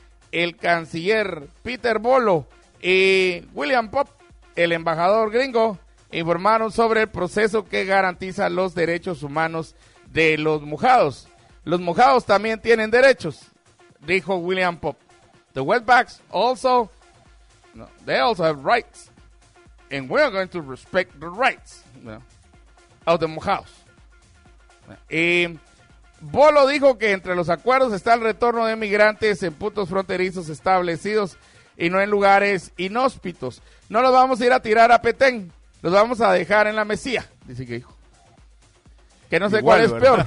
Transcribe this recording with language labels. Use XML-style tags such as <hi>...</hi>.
<es>El canciller Peter Bolo y William Pop, el embajador gringo, informaron sobre el proceso que garantiza los derechos humanos de los mojados. Los mojados también tienen derechos, dijo William Pop.</es> <en>The wetbacks also, no, they also have rights, and we are going to respect the rights, you know, of the mojados.</en> <es>Y Bolo dijo que entre los acuerdos está el retorno de migrantes en puntos fronterizos establecidos y no en lugares inhóspitos. No los vamos a ir a tirar a Petén. Los vamos a dejar en la Mesía, dice que dijo. Que no sé igual, cuál es, ¿verdad?</es>